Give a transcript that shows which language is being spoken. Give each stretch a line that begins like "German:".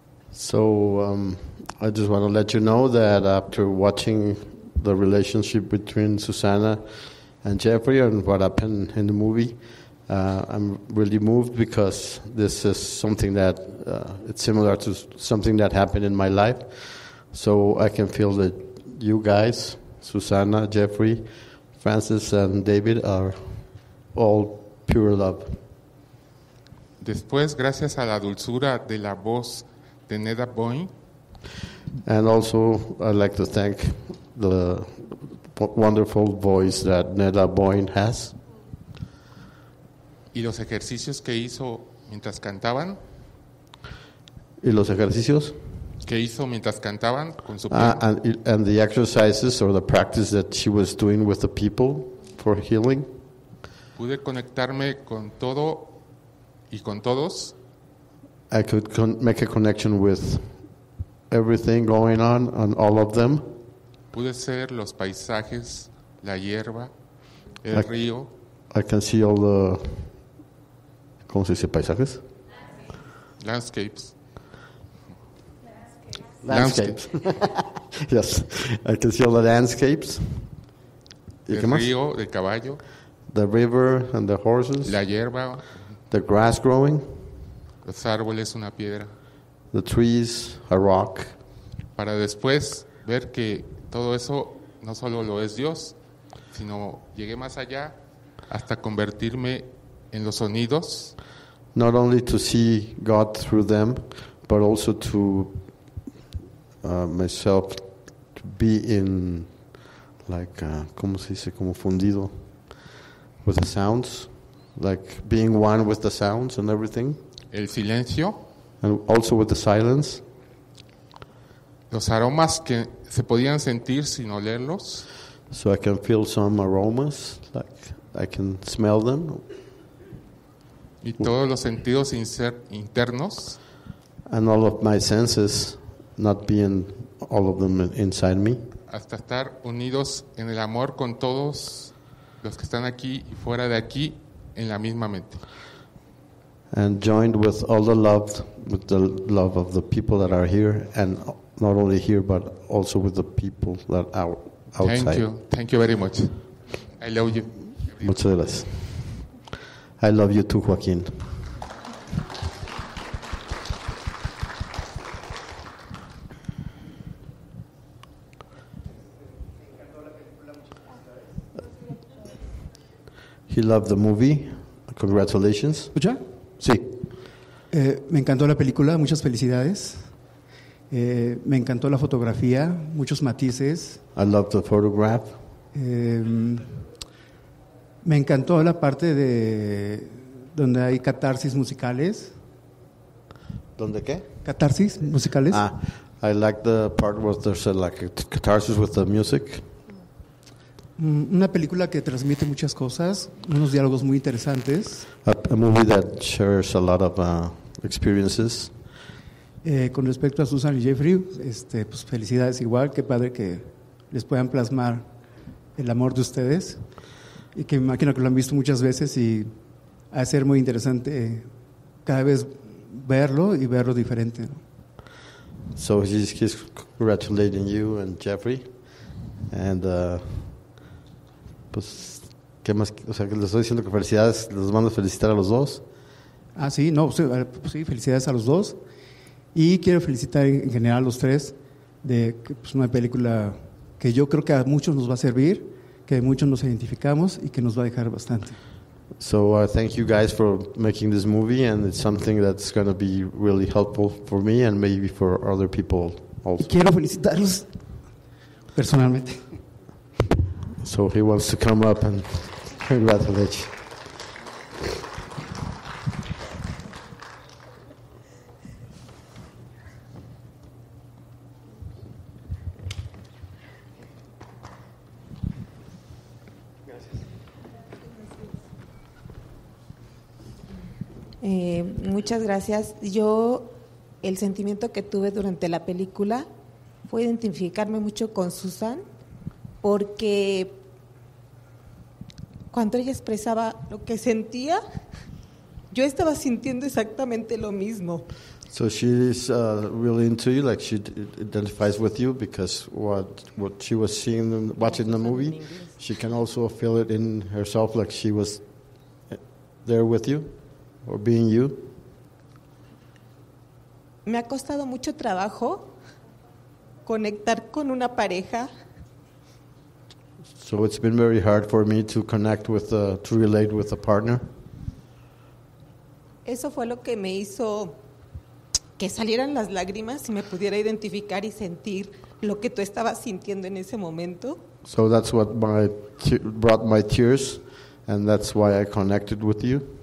English: So I just want to let you know that after watching the relationship between Susana and Jeffrey and what happened in the movie, I'm really moved because this is something that it's similar to something that happened in my life. So I can feel that you guys, Susana, Jeffrey, Francis and David are all pure love.
Spanish: Después, gracias a la dulzura de la voz de Neda Boyne.
English: And also, I'd like to thank the wonderful voice that Neda Boyne has.
Spanish: Y los ejercicios que hizo mientras cantaban. ¿Y los ejercicios? que hizo mientras cantaban con su
English: and the exercises or the practice that she was doing with the people for healing.
Spanish: Pude conectarme con todo y con todos.
English: I could make a connection with everything going on all of them.
Spanish: Pude ser los paisajes, la hierba, el río.
English: I can see all the,
Spanish: ¿cómo se dice paisajes?
English: Landscapes. Landscapes. Yes, I can see all the landscapes.
Spanish: El río, el caballo.
English: The river and the horses.
Spanish: La hierba.
English: The grass growing.
Spanish: Los árboles, una piedra.
English: The trees, a rock.
Spanish: Para después ver que todo eso no solo lo es Dios, sino llegué más allá hasta convertirme en los sonidos.
English: Not only to see God through them, but also to myself to be in, like,
Spanish: ¿cómo se dice? Como fundido
English: with the sounds, like being one with the sounds and everything.
Spanish: El silencio.
English: And also with the silence.
Spanish: Los aromas que se podían sentir sin olerlos.
English: So I can feel some aromas, like I can smell them.
Spanish: Y todos los sentidos internos.
English: And all of my senses, not being all of them inside me.
Spanish: Hasta estar unidos en el amor con todos los que están aquí y fuera de aquí en la misma mente.
English: And joined with all the love, with the love of the people that are here, and not only here, but also with the people that are outside. Thank you very much. I love you.
Spanish: Muchas gracias.
English: I love you too, Joaquín. He loved the movie. Congratulations.
Spanish: ¿Escucha? Sí. Me encantó la película. Muchas felicidades. Me encantó la fotografía. Muchos matices.
English: I loved the photograph.
Spanish: Me encantó la parte de donde hay catarsis musicales. ¿Dónde qué? Catarsis musicales.
English: Ah, I like the part where there's like a catarsis with the music.
Spanish: Una película que transmite muchas cosas, unos diálogos muy interesantes.
English: A movie that shares a lot of experiences.
Spanish: Con respecto a Susan y Jeffrey, pues felicidades igual, qué padre que les puedan plasmar el amor de ustedes. Y que me imagino que lo han visto muchas veces y va a ser muy interesante cada vez verlo y verlo diferente.
English: So he's congratulating you and Jeffrey. And,
Spanish: pues, ¿qué más? O sea, que les estoy diciendo que felicidades, les mando a felicitar a los dos. Ah, sí, no, sí, felicidades a los dos. Y quiero felicitar en general a los tres de pues, una película que yo creo que a muchos nos va a servir. Que muchos nos identificamos y que nos va a dejar bastante.
English: So thank you guys for making this movie, and it's something that's going to be really helpful for me and maybe for other people also.
Spanish: Y quiero felicitarlos personalmente.
English: So he wants to come up and congratulate you.
Spanish: Muchas gracias. Yo, el sentimiento que tuve durante la película fue identificarme mucho con Susan, porque cuando ella expresaba lo que sentía, yo estaba sintiendo exactamente lo mismo.
English: So she is really into you, like she identifies with you, because what she was seeing watching the movie, she can also feel it in herself, like she was there with you or being you.
Spanish: Me ha costado mucho trabajo conectar con una pareja.
English: So it's been very hard for me to connect with to relate with a partner.
Spanish: Eso fue lo que me hizo que salieran las lágrimas y me pudiera identificar y sentir lo que tú estabas sintiendo en ese momento.
English: So that's what brought my tears, and that's why I connected with you.